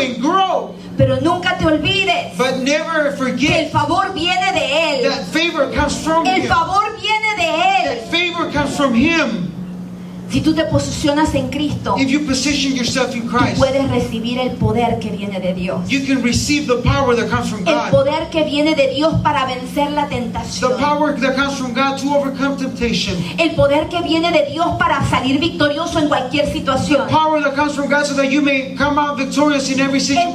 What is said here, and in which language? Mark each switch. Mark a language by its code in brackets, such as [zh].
[es] y crezcas. Pero nunca te olvides, [en] but never forget, [es] que el favor viene de Él. [en] That favor comes from [es] el favor [en] him. [es] Viene de Él. [en] That favor comes from him. [es] Si tú te posicionas en Cristo, [en] if you position yourself in Christ, [es] tú puedes recibir el poder que viene de Dios. [en] You can receive the power that comes from God. [es] El poder que viene de Dios para vencer la tentación. [en] The power that comes from God to overcome temptation. [es] El poder que viene de Dios para salir victorioso en cualquier situación. [en] The power that comes from God so that you may come out victorious in every situation.